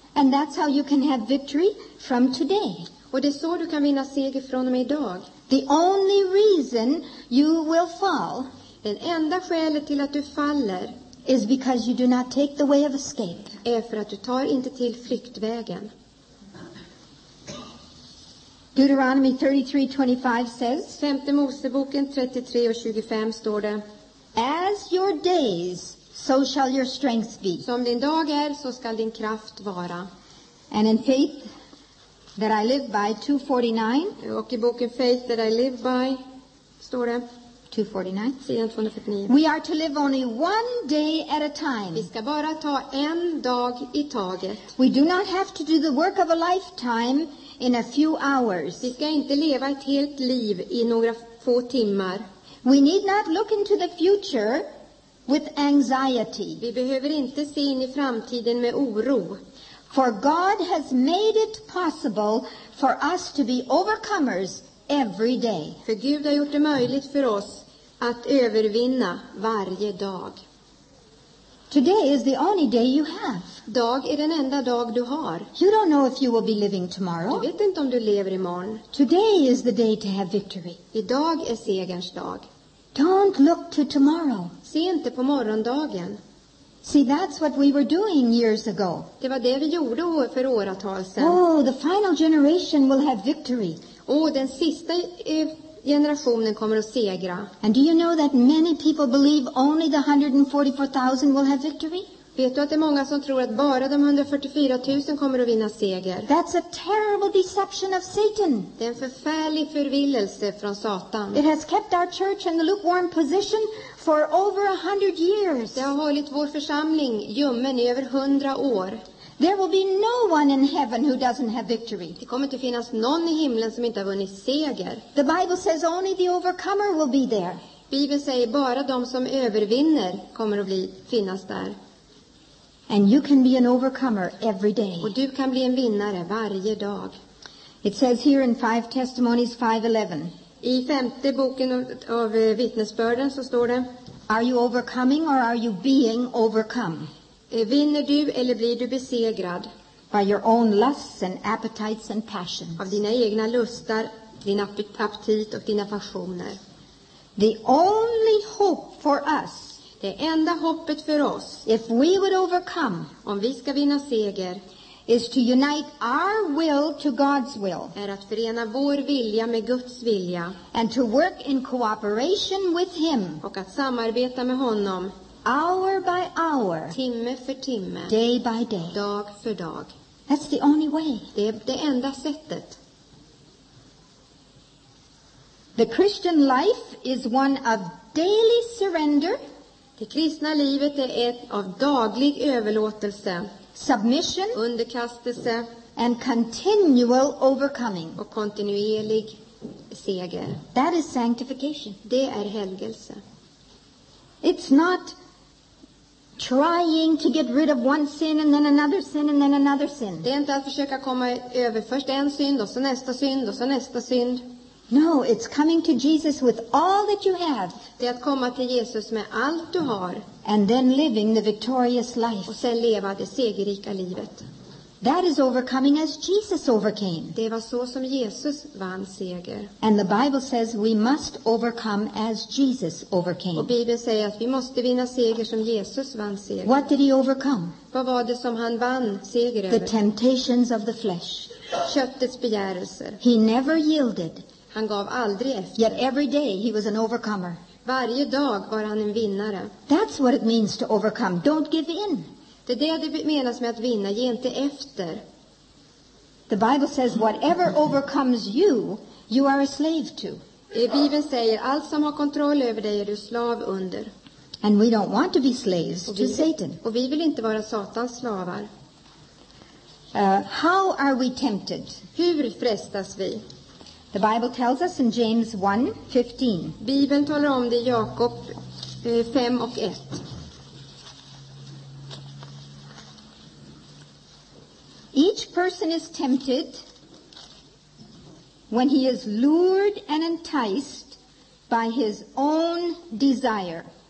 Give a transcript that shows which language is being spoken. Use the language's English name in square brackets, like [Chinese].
[English] And that's how you can have victory from today. [Swedish] Och det är så du kan vinna seger från och med idag. [English] The only reason you will fall, [Swedish] den enda skälet till att du faller, [English] is because you do not take the way of escape, [Swedish] är för att du tar inte till flyktvägen. [English] Deuteronomy 33:25 says, [Swedish] femte Moseboken 33:25 står det, [English] as your days, so shall your strength be. [Swedish] Som din dag är, så skall din kraft vara. [English] And in faith that I live by 249. [Swedish] Och i boken Faith That I Live By står det [English] 249. We are to live only one day at a time. [Swedish] Vi ska bara ta en dag i taget. [English] We do not have to do the work of a lifetime in a few hours. [Swedish] Vi ska inte leva ett helt liv i några få timmar. [English] We need not look into the future with anxiety. [Swedish] Vi behöver inte se in i framtiden med oro. [English] For God has made it possible for us to be overcomers every day. [Swedish] För Gud har gjort det möjligt för oss att övervinna varje dag. [English] Today is the only day you have. [Swedish] Dag är den enda dag du har. [English] You don't know if you will be living tomorrow. [Swedish] Du vet inte om du lever imorgon. [English] Today is the day to have victory. [Swedish] Idag är segerns dag. [English] Don't look to tomorrow. [Swedish] Se inte på morgondagen. [English] See, that's what we were doing years ago. [Swedish] Det var det vi gjorde för åratal sedan. [English] Oh, the final generation will have victory. [Swedish] Och den sista generationen kommer att segra. [English] And do you know that many people believe only the 144,000 will have victory? [Swedish] Vet du att det är många som tror att bara de 144,000 kommer att vinna seger? [English] That's a terrible deception of Satan. [Swedish] Det är en förfärlig förvillelse från Satan. [English] It has kept our church in the lukewarm position for over 100 years. [Swedish] Det har hållit vår församling ljummen i över 100 år. [English] There will be no one in heaven who doesn't have victory. [Swedish] Det kommer inte finnas någon i himlen som inte har vunnit seger. [English] The Bible says only the overcomer will be there. [Swedish] Bibeln säger bara de som övervinner kommer att finnas där. [English] And you can be an overcomer every day. [Swedish] Och du kan bli en vinnare varje dag. [English] It says here in 5 Testimonies 5:11. [Swedish] I femte boken av vittnesbörden så står det: [English] Are you overcoming or are you being overcome? [Swedish] Vinner du eller blir du besegrad? [English] By your own lusts and appetites and passions. [Swedish] Av dina egna lustar, din aptit och dina passioner. [English] The only hope for us. [Swedish] Det enda hoppet för oss. [English] If we would overcome. [Swedish] Om vi ska vinna seger. [English] Is to unite our will to God's will. [Swedish] Är att förena vår vilja med Guds vilja. [English] And to work in cooperation with him. [Swedish] Och att samarbeta med honom. [English] Hour by hour. [Swedish] Timme för timme. [English] Day by day. [Swedish] Dag för dag. [English] That's the only way. [Swedish] Det är det enda sättet. [English] The Christian life is one of daily surrender. [Swedish] Det kristna livet är ett av daglig överlåtelse. [English] Submission. [Swedish] Underkastelse. [English] And continual overcoming. [Swedish] Och kontinuerlig seger. [English] That is sanctification. [Swedish] Det är helgelse. [English] It's not trying to get rid of one sin and then another sin and then another sin. [Swedish] Det är inte att försöka komma över först en synd och så nästa synd och så nästa synd. [English] No, it's coming to Jesus with all that you have. [Swedish] Det är att komma till Jesus med allt du har. [English] And then living the victorious life. [Swedish] Och sen leva det segerrika livet. [English] That is overcoming as Jesus overcame. [Swedish] Det var så som Jesus vann seger. [English] And the Bible says we must overcome as Jesus overcame. [Swedish] Och Bibeln säger att vi måste vinna seger som Jesus vann seger. [English] What did he overcome? [Swedish] Vad var det som han vann seger över? [English] The temptations of the flesh. [Swedish] Köttets begärelser. [English] He never yielded. [Swedish] Han gav aldrig efter. [English] Yet every day he was an overcomer. [Swedish] Varje dag var han en vinnare. [English] That's what it means to overcome. Don't give in. [Swedish] Det är det menas med att vinna. Ge inte efter. [English] The Bible says whatever overcomes you, you are a slave to. [Swedish] Bibeln säger allt som har kontroll över dig är du slav under. [English] And we don't want to be slaves to Satan. [Swedish] Och vi vill inte vara Satans slavar. [English] How are we tempted? [Swedish] Hur frestas vi? [English] The Bible tells us in James 1:15. [Swedish] Bibeln talar om det i Jakob 5 och 1. [English] Each person is tempted when he is lured and enticed by his own desire.